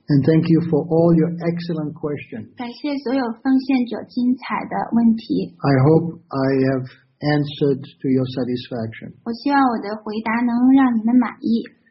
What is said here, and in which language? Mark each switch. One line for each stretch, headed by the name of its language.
English: And thank you for all your excellent questions
Chinese: 感谢所有奉献者精彩的问题
English: I hope I have answered to your satisfaction
Chinese: 我希望我的回答能让你们满意